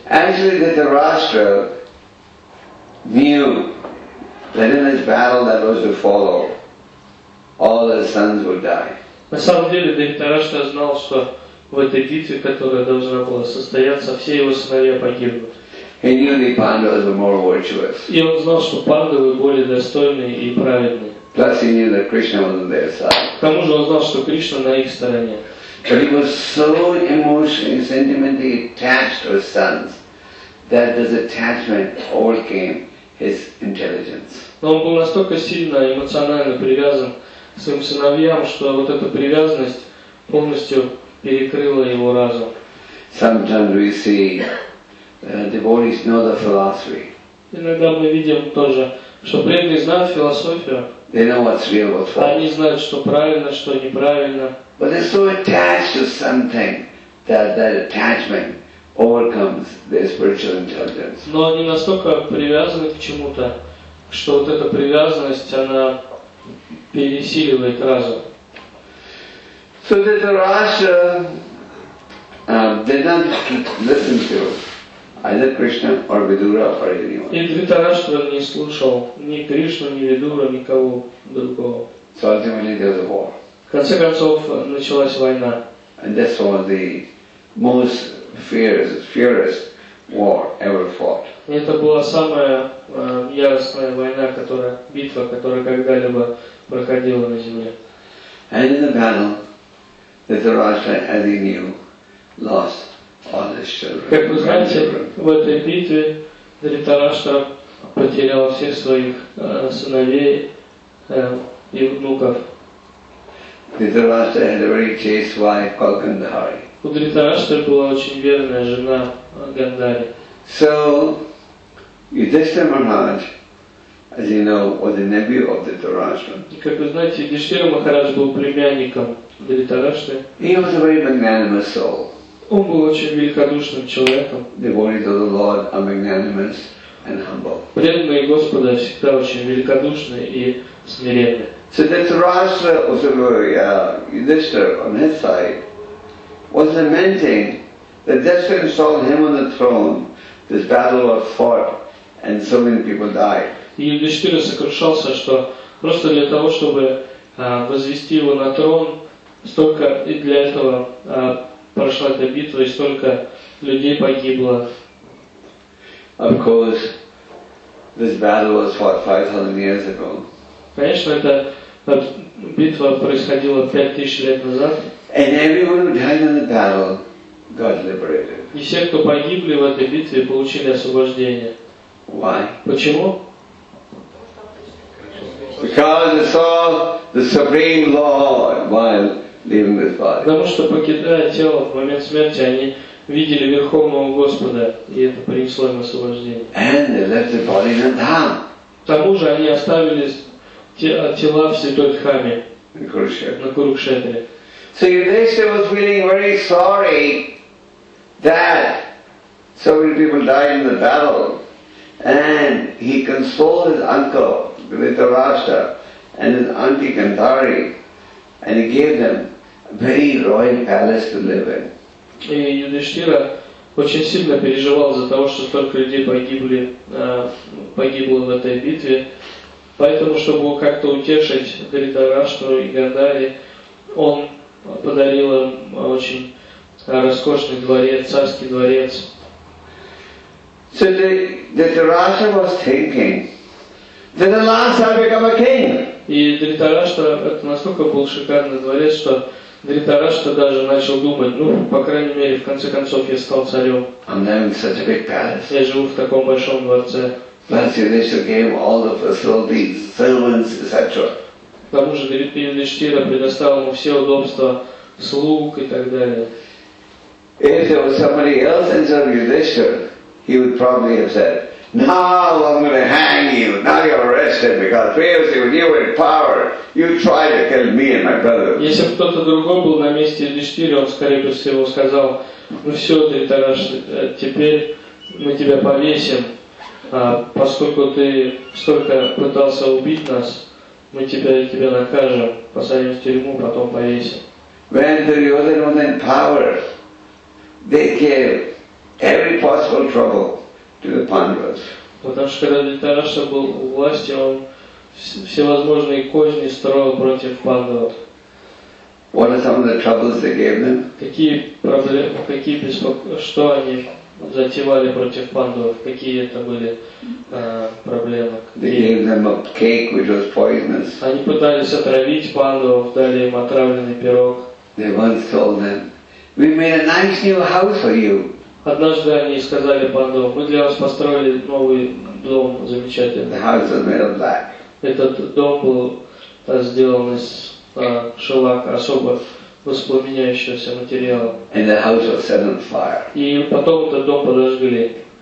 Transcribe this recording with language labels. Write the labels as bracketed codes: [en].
[en] Actually, Dhritarashtra knew that in this battle that was to follow, all his sons would die. [ru] На самом деле, Dhritarashtra знал, что в этой битве, которая должна была состояться, все его сыновья погибнут. [en] He knew the Pandavas were more virtuous. [ru] И он знал, что Пандавы более достойные и праведные. [en] Plus he knew that Krishna was on their side. [ru] К тому же он знал, что Кришна на их стороне. [en] But he was so emotionally, sentimentally attached to his sons that this attachment overcame his intelligence. [ru] Но он был настолько сильно эмоционально привязан к своим сыновьям, что вот эта привязанность полностью перекрыла его разум. [en] Sometimes we see devotees know the philosophy. [ru] Иногда мы видим тоже, что преданные знают философию. [en] They know what's real, what's false. [ru] Они знают, что правильно, что неправильно. [en] But they're so attached to something that that attachment overcomes their spiritual intelligence. [ru] Но они настолько привязаны к чему-то, что вот эта привязанность она пересиливает разум. [en] So Dhritarashtra did not listen to either Krishna or Vidura or anyone. [ru] И Dhritarashtra не слушал ни Кришну, ни Видуру, никого другого. [en] So ultimately there was a war. [ru] В конце концов началась война. [en] And this was the most fierce war ever fought. [ru] И это была самая яростная война, битва, которая когда-либо проходила на земле. [en] And in the battle, Dhritarashtra, as he knew, lost. [ru] Как вы знаете, в этой битве Dhritarashtra потерял всех своих сыновей и внуков. [en] Dhritarashtra had a very chaste wife called Gandhari. [ru] У Dhritarashtra была очень верная жена Гандхари. [en] So Yudhishthira Maharaj, as you know, was the nephew of Dhritarashtra. [ru] И как вы знаете, Yudhishthira Maharaj был племянником Dhritarashtra. [en] He was a very magnanimous soul. [ru] Он был очень великодушным человеком. [en] Devotees of the Lord are magnanimous and humble. [ru] Преданные Господа всегда очень великодушны и смиренны. [en] So Dhritarashtra, also Yudhishthira on his side, was lamenting that destiny saw him on the throne. This battle was fought, and so many people died. [ru] И Юдиштхира сокрушался, что просто для того, чтобы возвести его на трон, столько и для этого. Прошла эта битва, и столько людей погибло. [en] Of course, this battle was fought 5,000 years ago. [ru] Конечно, эта битва происходила 5,000 лет назад. [en] And everyone who died in the battle got liberated. [ru] И все, кто погибли в этой битве, получили освобождение. [en] Why? [ru] Почему? [en] Because they saw the supreme Lord while leaving this body. [ru] Потому что покидая тело в момент смерти, они видели Верховного Господа, и это принесло им освобождение. [en] And they left the body in a dham. [ru] К тому же они оставили тела в святой дхаме на Курукшетре. [en] So Yudhishthira was feeling very sorry that so many people died in the battle, and he consoled his uncle Dhritarashtra and his auntie Gandhari, and he gave them very royal palace to live in. [ru] И Юдиштхира очень сильно переживал за того, что столько людей погибло в этой битве. Поэтому, чтобы как-то утешить Дхритарашту и Гандхари, он подарил им очень роскошный дворец, царский дворец. [en] So Dhritarashtra was thinking that the last time become a king. [ru] И Дхритарашта, это настолько был шикарный дворец, что Дхритарашта даже начал думать, ну, по крайней мере, в конце концов, я стал царем. [en] I'm having such a big palace. [ru] Я живу в таком большом дворце. [en] Plus, Yudhishthira gave all the facilities, servants, etc. [ru] К тому же, Юдиштхира предоставил ему все удобства, слуг и так далее. [en] If there was somebody else instead of Yudhishthira, he would probably have said, Now I'm going to hang you. Now you're arrested because previously when you were in power, you tried to kill me and my brother. [ru] Если бы кто-то другой был на месте Юдиштира, он скорее всего сказал: ну все, ты тогдаш, теперь мы тебя повесим, поскольку ты столько пытался убить нас, мы тебя накажем, посадим в тюрьму, потом повесим. [en] When Duryodhana was in power, they gave every possible trouble to the Pandavas. [ru] Потому что когда Дхритараштра был у власти, он всевозможные козни строил против Пандавов. [en] What are some of the troubles they gave them? [ru] Какие проблемы, какие что они затевали против Пандавов? Какие это были проблемы? [en] They gave them a cake which was poisonous. [ru] Они пытались отравить Пандавов, дали им отравленный пирог. [en] They once told them, "We made a nice new house for you." [ru] Однажды они сказали Пандавам: "Мы для вас построили новый дом, замечательный." [en] The house was made of black. [ru] Этот дом был сделан из шелака, особо воспламеняющегося материала. [en] And the house was set on fire. [ru] И потом этот дом подожгли.